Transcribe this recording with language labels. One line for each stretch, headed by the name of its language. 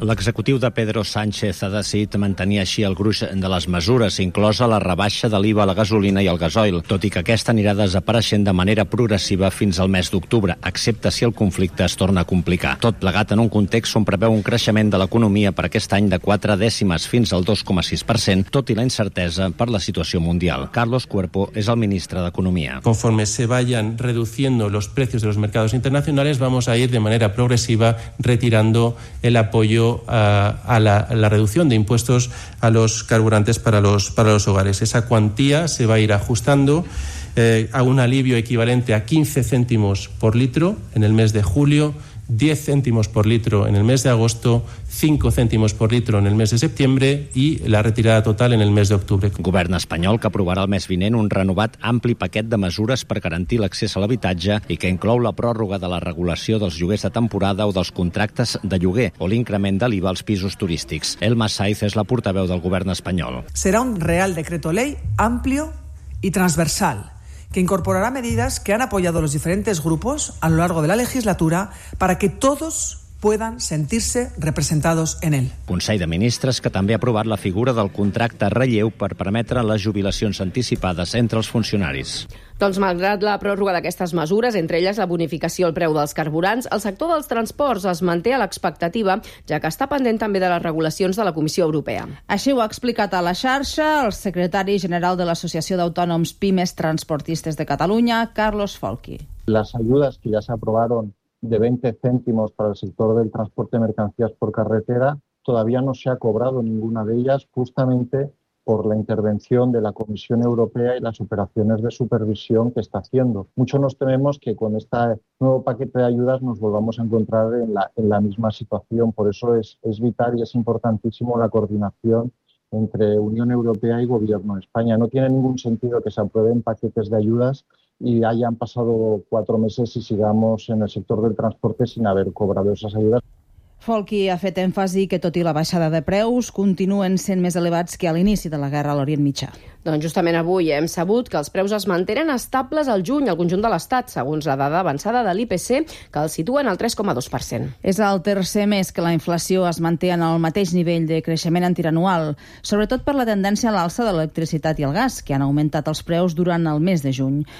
Catalan: L'executiu de Pedro Sánchez ha decidit mantenir així el gruix de les mesures, inclosa la rebaixa de l'IVA a la gasolina i el gasoil, tot i que aquesta anirà desapareixent de manera progressiva fins al mes d'octubre, excepte si el conflicte es torna a complicar. Tot plegat en un context on preveu un creixement de l'economia per aquest any de 0,4 dècimes fins al 2,6%, tot i la incertesa per la situació mundial. Carlos Cuerpo és el ministre d'Economia.
Spanish: Conforme se vayan reduciendo los precios de los mercados internacionales, vamos a ir de manera progresiva retirando el apoyo a la reducción de impuestos a los carburantes para los hogares. Esa cuantía se va a ir ajustando a un alivio equivalente a 15 céntimos por litro en el mes de julio, 10 céntimos por litro en el mes de agosto, 5 céntimos por litro en el mes de septiembre i la retirada total en el mes d'octubre.
Catalan: Govern espanyol que aprovarà el mes vinent un renovat ampli paquet de mesures per garantir l'accés a l'habitatge i que inclou la pròrroga de la regulació dels lloguers de temporada o dels contractes de lloguer o l'increment de l'IVA als pisos turístics. Elma Saiz és la portaveu del govern espanyol.
Spanish: Serà un real decreto ley amplio y transversal, que incorporará medidas que han apoyado los diferentes grupos a lo largo de la legislatura para que todos puedan sentirse representados en él.
Catalan: Consell de Ministres que també ha aprovat la figura del contracte relleu per permetre les jubilacions anticipades entre els funcionaris. Doncs malgrat la pròrroga d'aquestes mesures, entre elles la bonificació al preu dels carburants, el sector dels transports es manté a l'expectativa, ja que està pendent també de les regulacions de la Comissió Europea. Així ho ha explicat a la xarxa el secretari general de l'Associació d'Autònoms Pimes Transportistes de Catalunya, Carlos Folqui.
Spanish: Les ajudes que ja s'aprovaron de 20 céntimos para el sector del transporte de mercancías por carretera, todavía no se ha cobrado ninguna de ellas justamente por la intervención de la Comisión Europea y las operaciones de supervisión que está haciendo. Mucho nos tememos que con este nuevo paquete de ayudas nos volvamos a encontrar en la misma situación. Por eso es vital y es importantísimo la coordinación entre Unión Europea y Gobierno de España. No tiene ningún sentido que se aprueben paquetes de ayudas y hayan pasado 4 meses y sigamos en el sector del transporte sin haber cobrado esas ayudas.
Catalan: Folqui ha fet èmfasi que, tot i la baixada de preus, continuen sent més elevats que a l'inici de la guerra a l'Orient Mitjà. Doncs justament avui hem sabut que els preus es mantenen estables al juny al conjunt de l'Estat, segons la dada avançada de l'IPC, que els situen al 3,2%. És el tercer mes que la inflació es manté en el mateix nivell de creixement interanual, sobretot per la tendència a l'alça de l'electricitat i el gas, que han augmentat els preus durant el mes de juny.